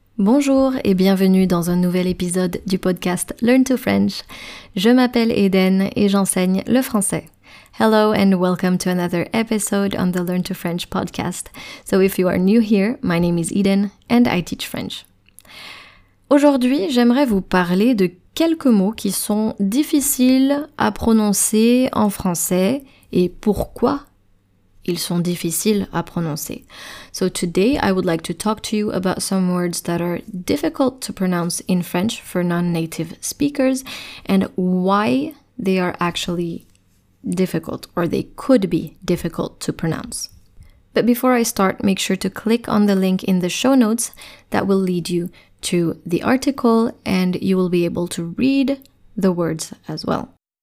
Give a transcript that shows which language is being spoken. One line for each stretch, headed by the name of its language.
French: Bonjour et bienvenue dans un nouvel épisode du podcast Learn to French. Je m'appelle Eden et j'enseigne le français.
English: Hello and welcome to another episode on the Learn to French podcast. So if you are new here, my name is Eden and I teach French.
French: Aujourd'hui, j'aimerais vous parler de quelques mots qui sont difficiles à prononcer en français et pourquoi ils sont difficiles à prononcer.
English: So today, I would like to talk to you about some words that are difficult to pronounce in French for non-native speakers and why they are actually difficult or they could be difficult to pronounce. But before I start, make sure to click on the link in the show notes that will lead you to the article and you will be able to read the words as well.